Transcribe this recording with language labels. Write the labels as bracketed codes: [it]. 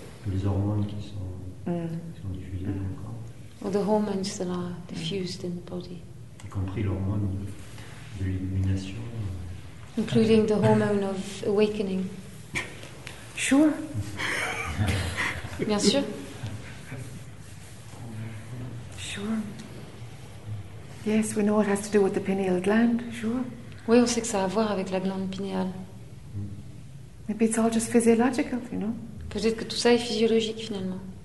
[fr] Les hormones qui sont diffusées dans le corps. [en] Or the hormones that are diffused in the body. [fr] Y compris l'hormone de l'illumination. [en] Including the hormone of awakening. Sure. [fr] Bien sûr. [en] Sure. Yes, we know it has to do with the pineal gland. Sure. [fr] Oui, on sait que ça a à voir avec la glande pinéale. [en] Maybe it's all just physiological, you know. [fr] Peut-être que tout ça est physiologique finalement.